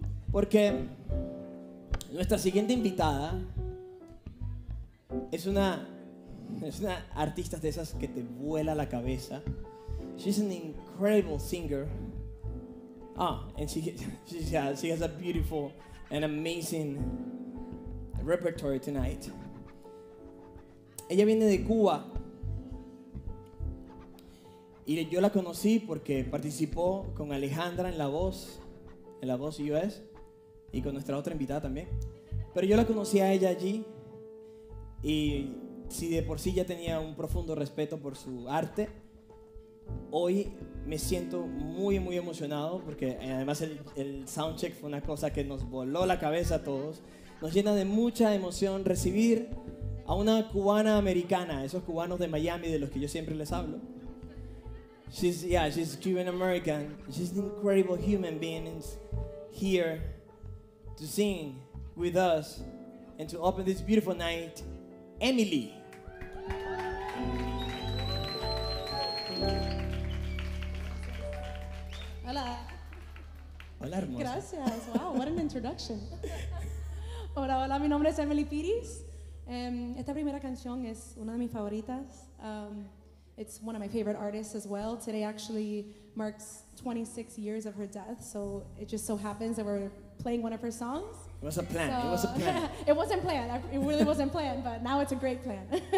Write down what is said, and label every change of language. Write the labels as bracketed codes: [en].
[es] Porque nuestra siguiente invitada es una artista de esas que te vuela la cabeza. [en] She's an incredible singer. Oh, and she has a beautiful and amazing repertory tonight. [es] Ella viene de Cuba. Y yo la conocí porque participó con Alejandra en La Voz US y con nuestra otra invitada también. Pero yo la conocí a ella allí y si de por sí ya tenía un profundo respeto por su arte, hoy me siento muy, muy emocionado porque además el soundcheck fue una cosa que nos voló la cabeza a todos. Nos llena de mucha emoción recibir a una cubana americana, esos cubanos de Miami de los que yo siempre les hablo. [en] She's Cuban American. She's an incredible human being here to sing with us and to open this beautiful night, Emily. [es] Hola, hermosa. Gracias. [en] Wow, what an introduction. [es] Hola. Mi nombre es Emily Pires. Esta primera canción es una de mis favoritas. [en] It's one of my favorite artists as well. Today actually marks 26 years of her death, so it just so happens that we're playing one of her songs. It was a plan. So, it was a plan. It wasn't planned. It really wasn't planned, but now it's a great plan.